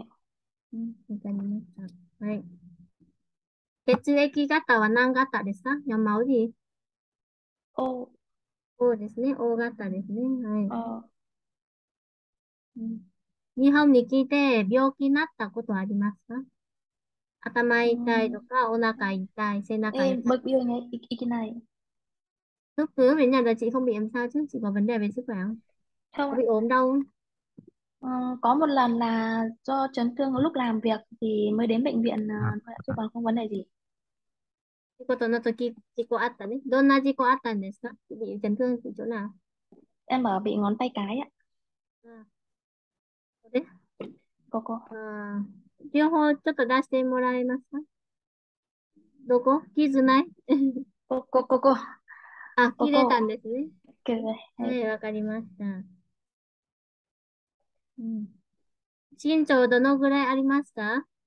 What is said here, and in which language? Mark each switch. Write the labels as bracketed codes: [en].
[ja] わかりました。はい。血液型は何型ですか？山折り。お、 O ですね。O 型ですね。あ、日本に来て病気になったことはありますか？頭痛いとか、お腹痛い、背中痛い。 mất yêu nghe ý kiến này [vi] Lúc cứ về nhà là chị không bị làm sao chứ? Chị có vấn đề về sức khỏe không? không Có bị ốm đâu không? Có một lần là do chấn thương lúc làm việc thì mới đến bệnh viện, chứ còn không vấn đề gì. [ja] ことの時、事故あったね。どんな事故あったんですか？ちょっと何？ [vi] Em ở bị ngón tay cái [ja] ここ。情報ちょっと出してもらえますか？どこ？傷ない？ここ。あ、切れたんここ。ですね。けど、はい、わかりました。身長どのぐらいありますか？